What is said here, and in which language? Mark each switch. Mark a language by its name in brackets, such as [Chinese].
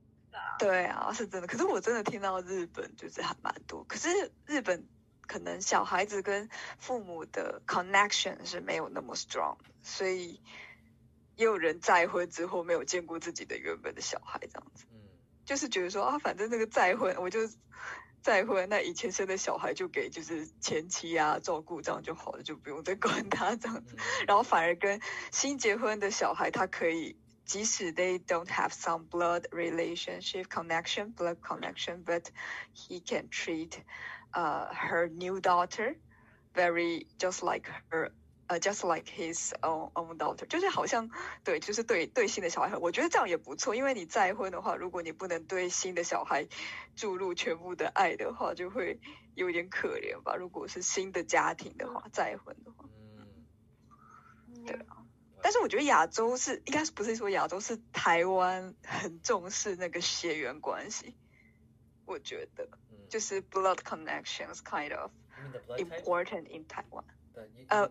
[Chinese] 对啊，对啊，是真的。可是我真的听到日本就是还蛮多，可是日本可能小孩子跟父母的 connection 是没有那么 strong， 所以也有人再婚之后没有见过自己的原本的小孩，这样子，就是觉得说啊，反正那个再婚我就。再婚，那以前生的小孩就给就是前妻啊照顾，这样就好了，就不用再管他这样子。然后反而跟新结婚的小孩，他可以即使 [English] they don't have some blood relationship connection, blood connection, but he can treat, her new daughter very just like her, just like his own daughter. [Chinese] 就是好像对，就是对对新的小孩，我觉得这样也不错。因为你再婚的话，如果你不能对新的小孩注入全部的爱的话，就会有点可怜吧。如果是新的家庭的话，再婚的话，对啊。但是我觉得亚洲是应该是不是说亚洲是台湾很重视那个血缘关系，我觉得就是 [English] blood connections kind of important in Taiwan。